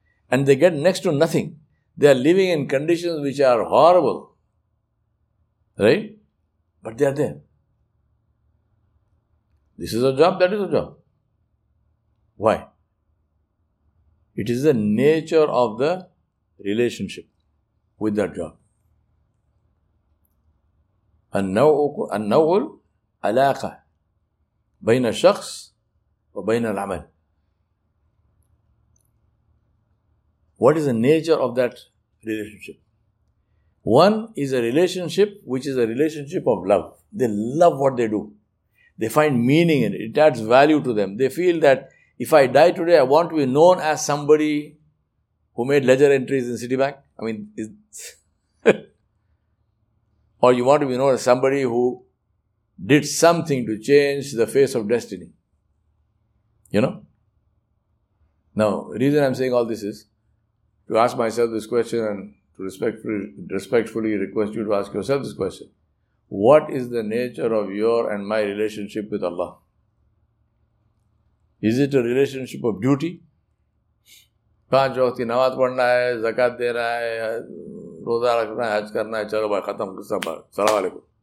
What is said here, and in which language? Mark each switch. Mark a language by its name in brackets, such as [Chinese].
[English] And they get next to nothing. They are living in conditions which are horrible. Right? But they are there. This is a job, that is a job. Why? It is the nature of the relationship with that job. [Arabic] النوع العلاقة بين الشخص وبين العمل. [English] What is the nature of that relationship? One is a relationship which is a relationship of love. They love what they do. They find meaning in it. It adds value to them. They feel that if I die today, I want to be known as somebody who made ledger entries in Citibank. I mean, it's or you want to be known as somebody who did something to change the face of destiny. You know? Now, the reason I'm saying all this is to ask myself this question and to respectfully request you to ask yourself this question. What is the nature of your and my relationship with Allah? Is it a relationship of duty? [Urdu] پانچ وقت کی نماز پڑھنا ہے، زکات دینا ہے، روزہ رکھنا ہے، حج کرنا ہے، چلو بھائی ختم، السلام علیکم.